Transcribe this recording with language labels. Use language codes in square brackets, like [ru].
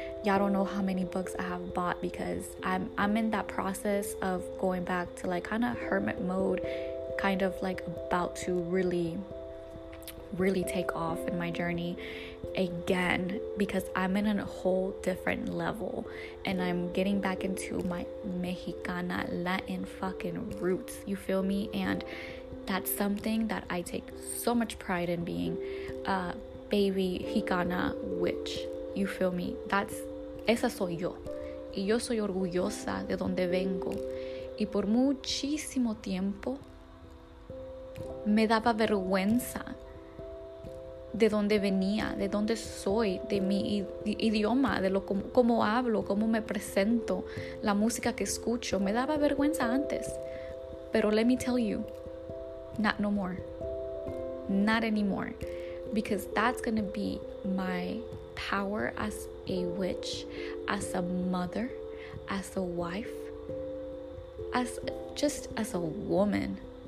[en] Y'all don't know how many books I have bought, because I'm in that process of going back to like kind of hermit mode, kind of like about to really, really take off in my journey again, because I'm in a whole different level and I'm getting back into my Mexicana Latin fucking roots, you feel me? And that's something that I take so much pride in, being a baby Chicana witch, you feel me? That's, [es] esa soy yo, y yo soy orgullosa de donde vengo. Y por muchísimo tiempo me daba vergüenza de donde venía, de donde soy, de mi idioma, de lo como hablo, cómo me presento, la música que escucho. Me daba vergüenza antes, pero [en] let me tell you, not no more, not anymore, because that's gonna be my power as a witch, as a mother, as a wife, as just as a woman.